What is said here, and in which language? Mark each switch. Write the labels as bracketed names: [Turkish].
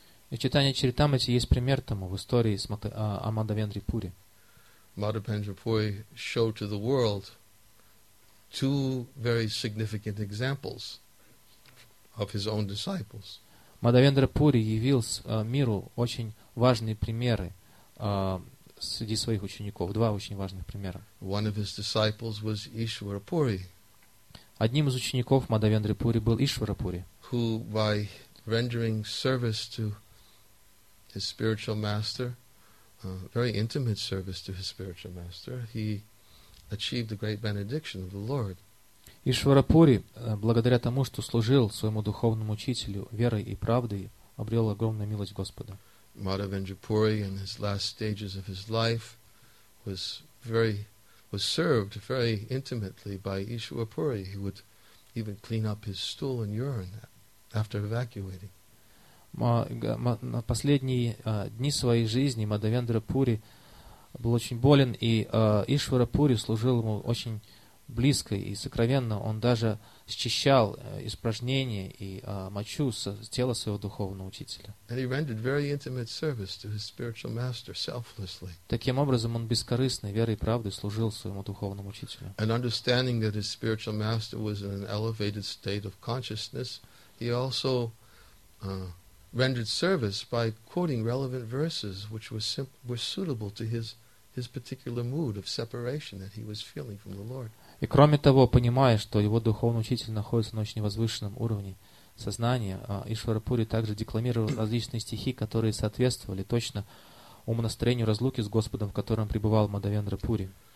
[Russian] В Чайтанья Чаритамрите есть пример тому в истории с Мадхавендрапури. [English] Madhavendrapuri showed to the world two very significant examples of his own disciples. [Russian] Мадхавендрапури явил миру очень важные примеры среди своих учеников, два очень важных примера. [English] One of his disciples was Ishvara Puri. [Russian] Одним из учеников Мадхавендры Пури был Ишвара Пури, [English] who by rendering service to his spiritual master, very intimate service to his spiritual master, he achieved the great benediction of the Lord. [Russian] Ишвара Пури, благодаря тому, что служил своему духовному учителю верой и правдой, обрел огромную милость Господа. [English] Madhavendrapuri in his last stages of his life was served very intimately by Ishvara Puri. He would even clean up his stool and urine after evacuating. [Russian] На последние дни своей жизни Мадхавендрапури был очень болен, и Ишвара Пури служил ему очень близко и сокровенно. Он даже счищал испражнения и мочу с тела своего духовного учителя. [English] And he rendered very intimate service to his spiritual master selflessly. [Russian] Таким образом, он бескорыстно, верой и правдой служил своему духовному учителю. [English] And understanding that his spiritual master was in an elevated state of consciousness, he also rendered service by quoting relevant verses which were suitable to his particular mood of separation that he was feeling from the Lord. [Russian] И кроме того, понимая, что его духовный учитель находится на очень возвышенном уровне сознания, Ишварапури также декламировал различные стихи, которые соответствовали точно умонастроению разлуки с Господом, в котором пребывал Мадхавендра Пури.